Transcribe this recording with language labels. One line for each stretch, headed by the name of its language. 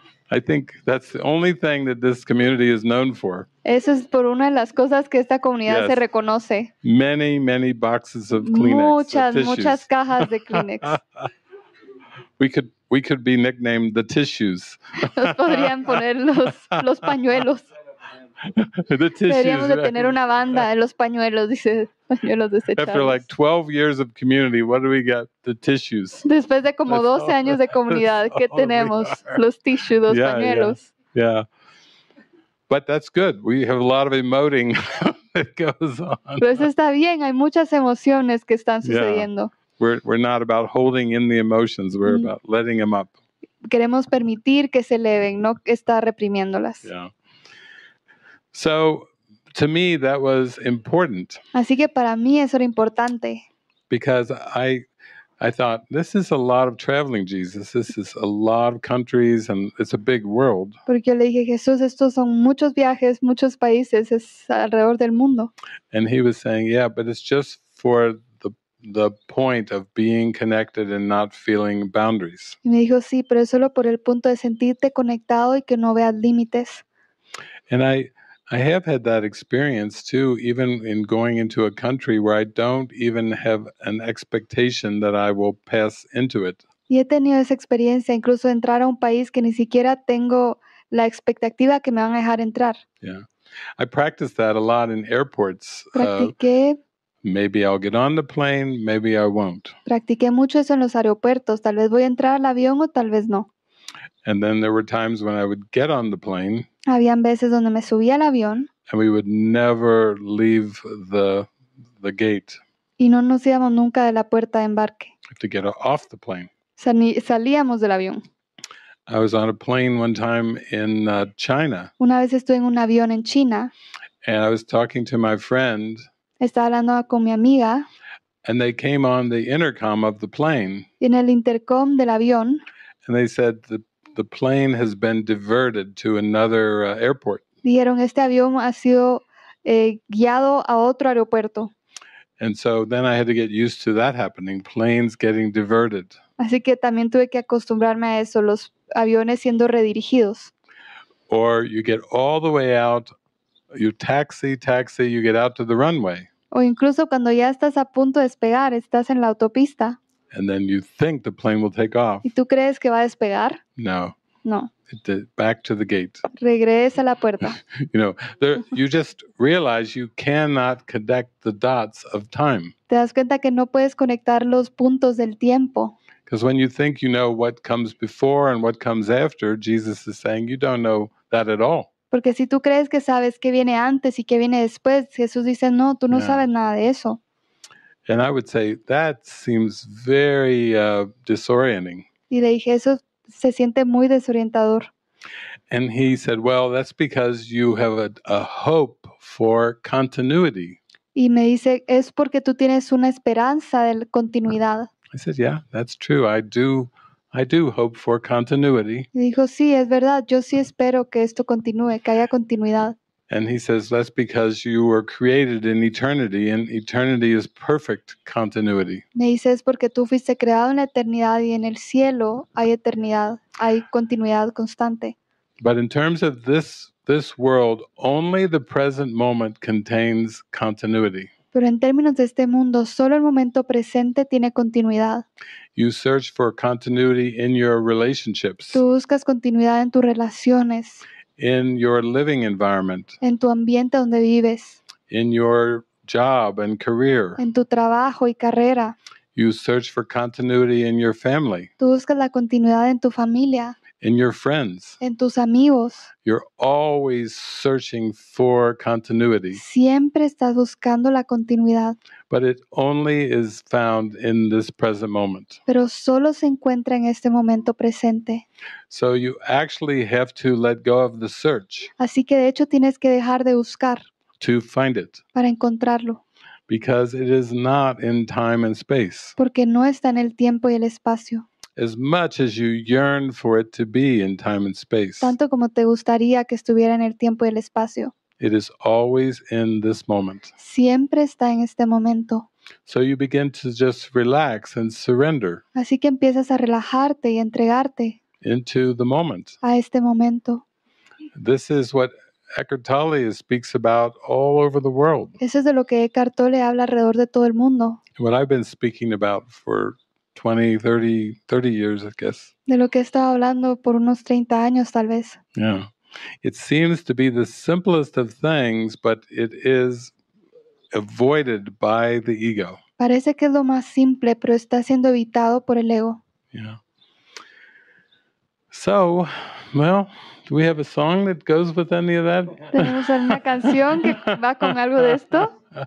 English: I think that's the only thing that this community is known for.
Spanish: Eso es por una de las cosas que esta comunidad
English: yes.
Spanish: se reconoce.
English: Many, many boxes of Kleenex.
Spanish: Muchas,
English: of
Spanish: muchas cajas de Kleenex.
English: We could be nicknamed the tissues.
Spanish: Nos podrían poner los pañuelos.
English: The tissues.
Spanish: Deberíamos de tener una banda de los pañuelos, dice pañuelos desechados.
English: After like 12 years of community, what do we got? The tissues.
Spanish: Después de como 12 años de comunidad, ¿qué tenemos? Los tissues, los pañuelos.
English: Yeah, yeah. But that's good. We have a lot of emoting that goes on.
Spanish: Pues está bien. Hay muchas emociones que están sucediendo.
English: Yeah. We're not about holding in the emotions. We're about letting them up.
Spanish: Queremos permitir que se eleven, no estar reprimiéndolas.
English: Yeah. So, to me, that was important.
Spanish: Así que para mí eso era importante.
English: Because I thought, this is a lot of traveling, Jesus. This is a lot of countries and it's a big world.
Spanish: Porque yo le dije, Jesús, estos son muchos viajes, muchos países, es alrededor del mundo.
English: And he was saying, yeah, but it's just for the point of being connected and not feeling boundaries.
Spanish: Y me dijo, sí, pero es solo por el punto de sentirte conectado y que no veas límites.
English: And I I have had that experience too, even in going into a country where I don't even have an expectation that I will pass into it.
Spanish: Y he tenido esa experiencia, incluso entrar a un país que ni siquiera tengo la expectativa que me van a dejar entrar.
English: Yeah. I practice that a lot in airports.
Spanish: Practiqué.
English: Maybe I'll get on the plane, maybe I won't.
Spanish: Practiqué mucho eso en los aeropuertos. Tal vez voy a entrar al avión o tal vez no.
English: And then there were times when I would get on the plane.
Spanish: Habían veces donde me subía al avión.
English: And we would never leave the gate.
Spanish: Y no nos íbamos nunca de la puerta de embarque.
English: To get off the plane.
Spanish: Salíamos del avión.
English: I was on a plane one time in China.
Spanish: Una vez estuve en un avión en China.
English: And I was talking to my friend.
Spanish: Estaba hablando con mi amiga.
English: And they came on the intercom of the plane.
Spanish: En el intercom del avión.
English: And they said the plane has been diverted to another airport.
Spanish: Dijeron este avión ha sido guiado a otro aeropuerto.
English: And so then I had to get used to that happening, planes getting diverted.
Spanish: Así que también tuve que acostumbrarme a eso, los aviones siendo redirigidos.
English: Or you get all the way out, you taxi, you get out to the runway.
Spanish: O incluso cuando ya estás a punto de despegar, estás en la autopista.
English: And then you think the plane will take off.
Spanish: ¿Y tú crees que va a despegar?
English: No.
Spanish: No.
English: Back to the gate.
Spanish: Regresa a la puerta.
English: You know, there, you just realize you cannot connect the dots of time.
Spanish: Te das cuenta que no puedes conectar los puntos del tiempo.
English: Because when you think you know what comes before and what comes after, Jesus is saying you don't know that at all.
Spanish: Porque si tú crees que sabes qué viene antes y qué viene después, Jesús dice, no, tú no sabes nada de eso.
English: And I would say, that seems very disorienting.
Spanish: Y le dije, eso se siente muy desorientador.
English: And he said, well, that's because you have a hope for continuity.
Spanish: Y me dice, es porque tú tienes una esperanza de continuidad.
English: I said, yeah, that's true. I do hope for continuity.
Spanish: Y dijo, sí, es verdad. Yo sí espero que esto continúe, que haya continuidad.
English: And he says, that's because you were created in eternity, and eternity is perfect continuity.
Spanish: Me dice, es porque tú fuiste creado en la eternidad, y en el cielo hay eternidad, hay continuidad constante.
English: But in terms of this world, only the present moment contains continuity.
Spanish: Pero en términos de este mundo, solo el momento presente tiene continuidad.
English: You search for continuity in your relationships.
Spanish: Tú buscas continuidad en tus relaciones.
English: In your living environment.
Spanish: En tu ambiente donde vives.
English: In your job and career.
Spanish: En tu trabajo y carrera.
English: You search for continuity in your family.
Spanish: Tú buscas la continuidad en tu familia.
English: In your friends.
Spanish: En tus amigos.
English: You're always searching for continuity.
Spanish: Siempre estás buscando la continuidad.
English: But it only is found in this present moment.
Spanish: Pero solo se encuentra en este momento presente.
English: So you actually have to let go of the search.
Spanish: Así que de hecho tienes que dejar de buscar.
English: To find it.
Spanish: Para encontrarlo.
English: Because it is not in time and space.
Spanish: Porque no está en el tiempo y el espacio.
English: As much as you yearn for it to be in time and space.
Spanish: Tanto como te gustaría que estuviera en el tiempo y el espacio.
English: It is always in this moment.
Spanish: Siempre está en este momento.
English: So you begin to just relax and surrender.
Spanish: Así que empiezas a relajarte y entregarte.
English: Into the moment.
Spanish: A este momento.
English: This is what Eckhart Tolle speaks about all over the world.
Spanish: Eso es de lo que Eckhart Tolle habla alrededor de todo el mundo.
English: What I've been speaking about for 20, 30 years, I guess.
Spanish: De lo que he estado hablando por unos 30 años, tal vez.
English: Yeah. It seems to be the simplest of things, but it is avoided by the ego.
Spanish: Parece que es lo más simple, pero está siendo evitado por el ego.
English: Yeah. So, well, do we have a song that goes with any of that?
Spanish: ¿Tenemos alguna canción que va con algo de esto?